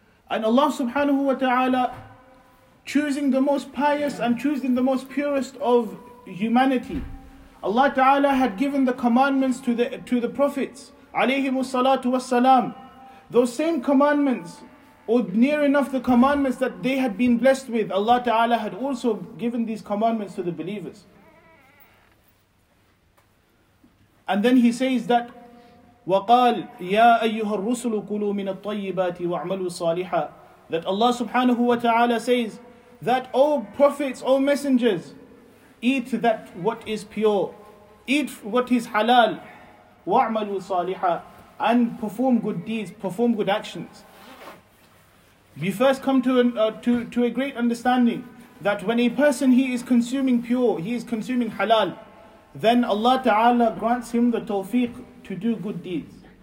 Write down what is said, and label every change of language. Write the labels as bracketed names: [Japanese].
[English] And Allah subhanahu wa ta'ala, choosing the most pious and choosing the most purest of humanity, Allah ta'ala had given the commandments to the prophets, alayhimu salatu wassalam, those same commandments, or near enough the commandments that they had been blessed with, Allah ta'ala had also given these commandments to the believers. And then he says that, [Arabic] وَقَالْ يَا أَيُّهَا الرُّسُلُ كُلُوا مِنَ الطَّيِّبَاتِ وَعْمَلُوا صَالِحًا. [English] That Allah subhanahu wa ta'ala says that, O prophets, O messengers, eat that what is pure, eat what is halal, [Arabic] وَعْمَلُوا صَالِحًا, [English] and perform good deeds, perform good actions. We first come to a great understanding that when a person, he is consuming pure, he is consuming halal, then Allah Ta'ala grants him the tawfiq to do good deeds.